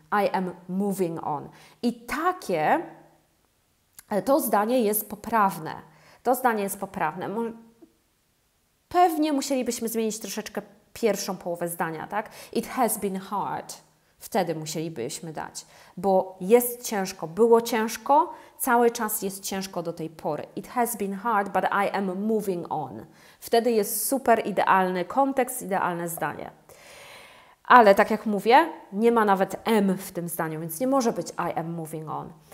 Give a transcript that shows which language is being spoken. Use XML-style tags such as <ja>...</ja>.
<en>I am moving on.</en> <pl>I takie, to zdanie jest poprawne. To zdanie jest poprawne. Pewnie musielibyśmy zmienić troszeczkę pierwszą połowę zdania, tak?</pl> <en>It has been hard.</en> <pl>Wtedy musielibyśmy dać. Bo jest ciężko, było ciężko, cały czas jest ciężko do tej pory.</pl> <en>It has been hard, but I am moving on.</en> <pl>Wtedy jest super idealny kontekst, idealne zdanie. Ale tak jak mówię, nie ma nawet am w tym zdaniu, więc nie może być</pl> <en>I am moving on.</en>